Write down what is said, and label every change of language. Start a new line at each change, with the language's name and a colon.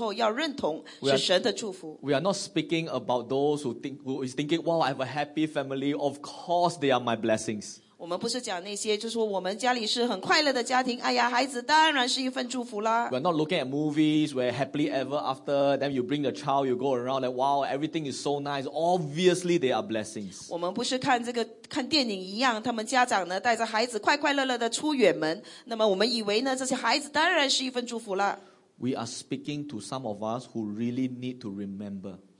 Chinese: 所以当我们讲到说,当我们领受孩子的时候,要认同是神的祝福。
English: We are not speaking about those who is thinking, wow, I have a happy family, of course they are my blessings.
Chinese: 我们不是讲那些,就是说我们家里是很快乐的家庭,哎呀,孩子当然是一份祝福啦。
English: We're not looking at movies where happily ever after, then you bring the child, you go around, like, wow, everything is so nice. Obviously, they are blessings.
Chinese: 我们不是看电影一样,他们家长呢,带着孩子快快乐乐的出远门,那么我们以为呢,这些孩子当然是一份祝福啦。
English: We are speaking to some of us who really need to remember.